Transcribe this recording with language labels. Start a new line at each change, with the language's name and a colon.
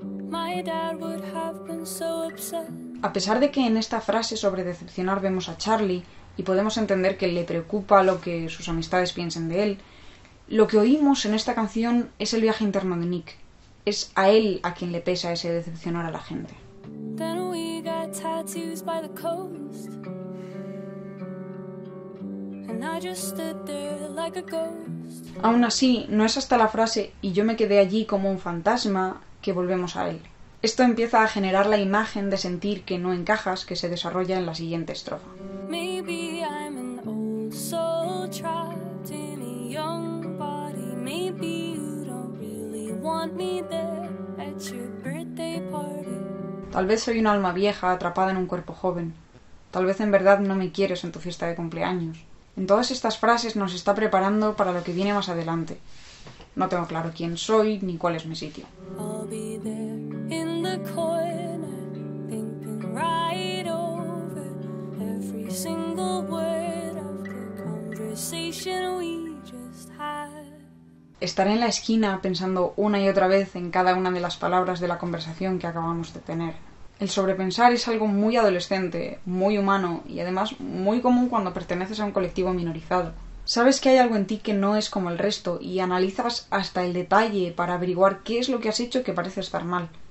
English: My dad would have been so upset.
Spanish: A pesar de que en esta frase sobre decepcionar vemos a Charlie, y podemos entender que le preocupa lo que sus amistades piensen de él, lo que oímos en esta canción es el viaje interno de Nick. Es a él a quien le pesa ese decepcionar a la gente.
English: Then we got tattoos by the coast. And I just stood there like a ghost.
Spanish: Aún así, no es hasta la frase y yo me quedé allí como un fantasma que volvemos a él. Esto empieza a generar la imagen de sentir que no encajas que se desarrolla en la siguiente estrofa.
English: Maybe I'm an old soul trapped in a young body. Maybe you don't really want me there at your birthday party.
Spanish: Tal vez soy un alma vieja atrapada en un cuerpo joven. Tal vez en verdad no me quieres en tu fiesta de cumpleaños. En todas estas frases nos está preparando para lo que viene más adelante. No tengo claro quién soy ni cuál es mi sitio.
English: I'll be there in the corner, thinking right over every single word of the conversation we just had.
Spanish: Estaré en la esquina pensando una y otra vez en cada una de las palabras de la conversación que acabamos de tener. El sobrepensar es algo muy adolescente, muy humano y además muy común cuando perteneces a un colectivo minorizado. Sabes que hay algo en ti que no es como el resto y analizas hasta el detalle para averiguar qué es lo que has hecho que parece estar mal.